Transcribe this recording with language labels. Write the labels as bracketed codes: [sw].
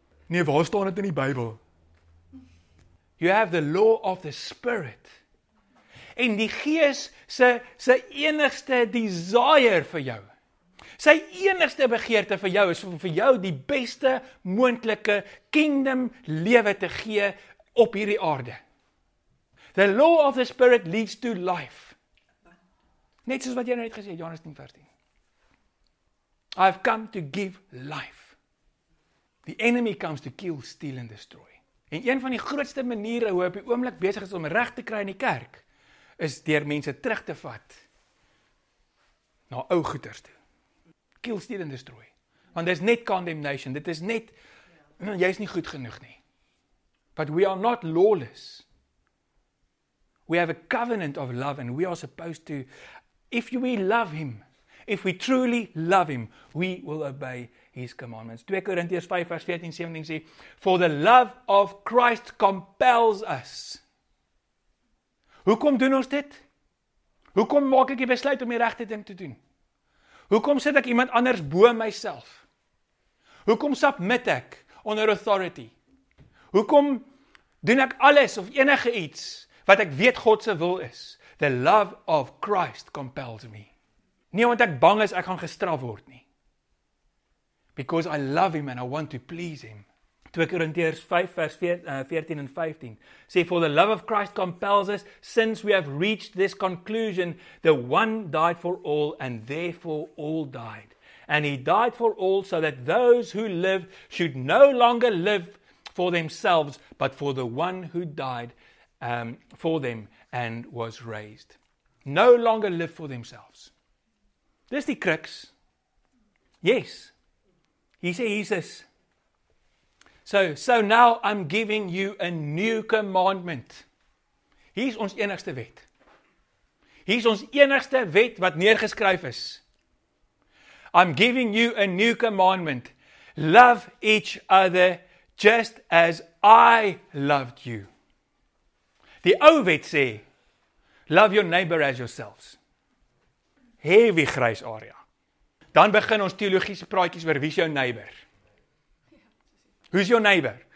[af] Nee, waar staan dit in die Bybel? [en] You have the law of the Spirit. [af] En die Gees se enigste desire vir jou, sy enigste begeerte vir jou, is om vir jou die beste moontlike kingdom lewe te gee op hierdie aarde. [en] The law of the Spirit leads to life. [af] Net soos wat jy nou net gesê het, Johannes 10:14. [en] I have come to give life. The enemy comes to kill, steal and destroy. [af] En een van die grootste maniere hoe hy op die oomblik besig is om reg te kry in die kerk, is deur mense terug te vat na ou goeters toe. [en] Kill, steal and destroy. [af] Want dit is net condemnation. Dit is net, jy is nie goed genoeg nie. [en] But we are not lawless. We have a covenant of love and we are supposed to, if we love him, if we truly love him, we will obey his commandments. 2 Corinthians 5 verse 14, 17 sê, for the love of Christ compels us. [af] Hoekom doen ons dit? Hoekom maak ek die besluit om die regte ding te doen? Hoekom sit ek iemand anders bo myself? Hoekom submit ek onder authority? Hoekom doen ek alles of enige iets wat ek weet God se wil is? [en] The love of Christ compels me. [af] Nie omdat ek bang is ek gaan gestraf word nie. [en] Because I love him and I want to please him. [af] 2 Korintiërs 5 vers 14 en 15 sê, [en] for the love of Christ compels us, since we have reached this conclusion, the one died for all and therefore all died. And he died for all so that those who live should no longer live for themselves, but for the one who died for them and was raised. No longer live for themselves. [af] Dis die crux. [en] Yes. He sê Jesus. So now I'm giving you a new commandment. [af] Hier's ons enigste wet. Hier's ons enigste wet wat neergeskryf is. [en] I'm giving you a new commandment. Love each other just as I loved you. [af] Die ou wet sê, [en] love your neighbor as yourselves. [af] Heavy grys area. Dan begin ons teologiese praatjies oor wie is jou neighbor? [en] Who's your neighbor?